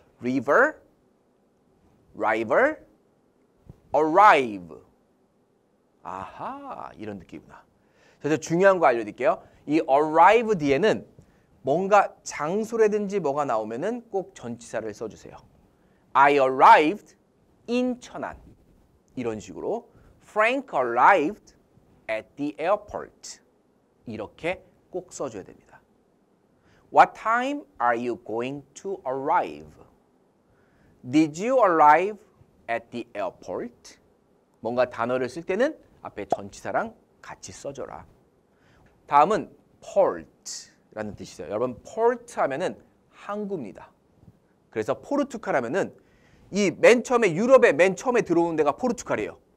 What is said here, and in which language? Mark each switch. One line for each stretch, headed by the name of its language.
English: river, river, arrive.
Korean: 아하, 이런 느낌이구나. 그래서 중요한 거 알려드릴게요. 이 arrive 뒤에는 뭔가 장소라든지 뭐가 나오면은 꼭 전치사를 써주세요.
English: I arrived in 천안.
Korean: 이런 식으로
English: Frank arrived at the airport.
Korean: 이렇게 꼭 써줘야 됩니다.
English: What time are you going to arrive? Did you arrive at the airport?
Korean: 뭔가 단어를 쓸 때는 앞에 전치사랑 같이 써줘라. 다음은 port라는 뜻이죠. 여러분 port 하면은 항구입니다. 그래서 포르투갈하면은 이 맨 처음에 유럽에 맨 처음에 들어오는 데가 포르투갈이에요.